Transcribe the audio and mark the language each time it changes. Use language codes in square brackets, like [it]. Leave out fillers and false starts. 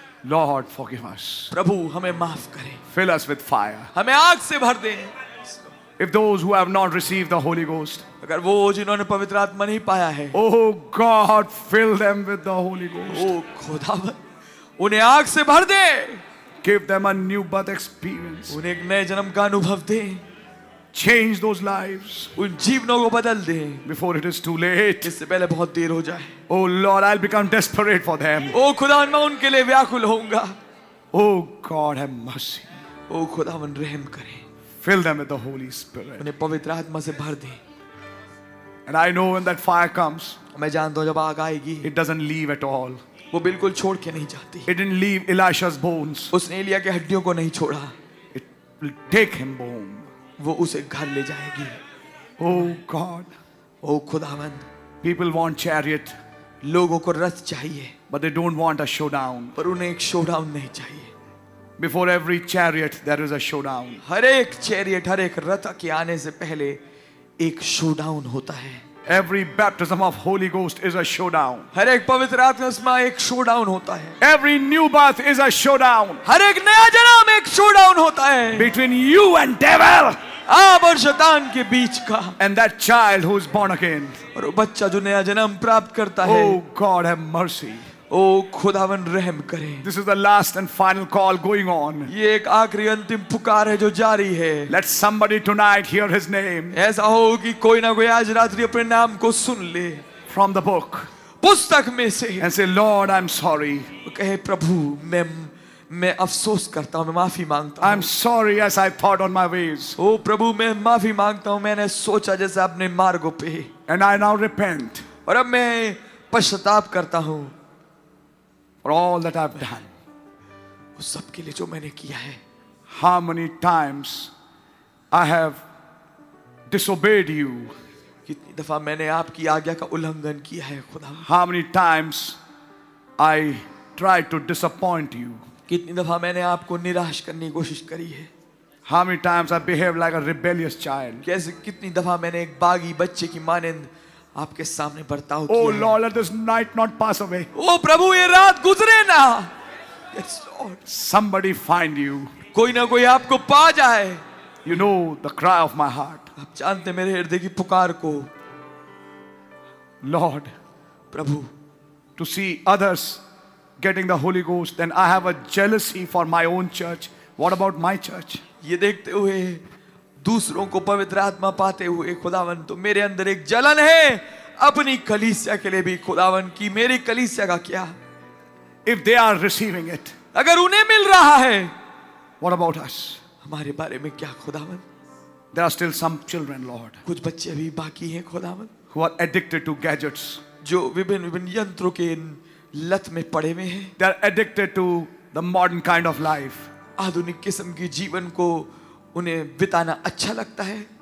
[en] Lord forgive us. [hi] प्रभु हमें माफ करें। [en] Fill us with fire. [hi] हमें आग से भर दें। [en] If those who have not received the holy ghost. [hi] अगर वो जिन्होंने पवित्र आत्मा नहीं पाया है। [en] Oh God fill them with the holy ghost. [hi] ओह खुदावन उन्हें आग से भर दे। [en] Give them a new birth experience. [hi] उन्हें एक नए जन्म का अनुभव दें। [en] Change those lives. [hi] उन जीवनों को बदल दें। [en] Before it is too late. [hi] इससे पहले बहुत देर हो जाए। [en] Oh Lord, I'll become desperate for them. [hi] ओ खुदा मैं उनके लिए व्याकुल होऊंगा। [en] Oh God, have mercy. [hi] ओ खुदा मन रहम करें। [en] Fill them with the Holy Spirit. [hi] उन्हें पवित्र आत्मा से भर दें। [en] And I know when that fire comes. [hi] मैं जानता हूँ जब आग आएगी। [en] It doesn't leave at all. [hi] वो बिल्कुल छोड़ के नहीं जाती। [en] It didn't leave Elisha's bones. [hi] उसने एलिया के हड्डियों को नहीं छोड़ा। [en] It will take him home. [hi] वो उसे घर ले जाएगी। [en] Oh God. [hi] Oh खुदावंद। [en] People want chariot. [hi] लोगों को रथ चाहिए। [en] But they don't want a showdown. [hi] पर उन्हें एक शोडाउन नहीं चाहिए। [en] Before every chariot there is a showdown. [hi] हर एक चैरियट, हर एक रथ के आने से पहले एक शोडाउन होता है। [en] Every baptism of Holy Ghost is a showdown. [hi] हर एक पवित्र आत्मा एक showdown होता है। [en] Every new birth is a showdown. [hi] हर एक नया जन्म एक showdown होता है। [en] Between you and devil. [hi] आप और शैतान के बीच का। [en] And that child who is born again. [hi] और वो बच्चा जो नया जन्म प्राप्त करता है। [en] Oh God, have mercy. [hi] ओ खुदावन रहम करें। [en] This is the last and final call going on. [hi] ये एक आखिरी अंतिम पुकार है जो जारी है। [en] Let somebody tonight hear his name. [hi] ऐसा हो कि कोई ना कोई आज रात्रि अपने नाम को सुन ले। [en] From the book. [hi] पुस्तक में से [en] and say, Lord, I'm sorry. [hi] कहे प्रभु मैं अफसोस करता हूँ मैं माफी मांगता हूँ [en] I'm sorry as I thought on my ways. [hi] ओ प्रभु मैं माफी मांगता हूँ मैंने सोचा जैसे अपने मार्गों पे [en] and I now repent. [hi] और अब मैं पश्चाताप करता हूँ [en] for all that I've done. [hi] उस सब के लिए जो मैंने किया है. [en] How many times I have disobeyed you. [hi] कितनी दफा मैंने आपकी आज्ञा का उल्लंघन किया है खुदा. [en] How many times I tried to disappoint you. [hi] कितनी दफा मैंने आपको निराश करने की कोशिश करी है. [en] How many times I behaved like a rebellious child. [hi] कैसे कितनी दफा मैंने एक बागी बच्चे की मानिंद आपके सामने बर्ताव किया. [en] Oh Lord, let this night not pass away. [hi] ओ प्रभु ये रात गुजरे ना. [en] Yes Lord. Somebody find you. [hi] कोई ना कोई आपको पा जाए. [en] You know the cry of my heart. [hi] आप जानते मेरे हृदय की पुकार को. [en] Lord, [hi] Prabhu, [en] to see others getting the Holy Ghost, then I have a jealousy for my own church. What about my church? [hi] ये देखते हुए दूसरों को पवित्र आत्मा पाते हुए खुदावन तो मेरे अंदर एक जलन है अपनी कलीसिया के लिए भी खुदावन की मेरी कलीसिया का क्या? [en] If they are receiving it, [hi] अगर उन्हें मिल रहा है, [en] what about us? [hi] हमारे बारे में क्या खुदावन? [en] There are still some children, Lord. [hi] कुछ बच्चे भी बाकी हैं खुदावन. [en] Who are addicted to gadgets? [hi] जो विभिन्न यंत्रों के लत में पड़े हुए हैं. [en] They are addicted to the modern kind of life. [hi] आधुनिक किस्म की जीवन को उन्हें बिताना अच्छा लगता है.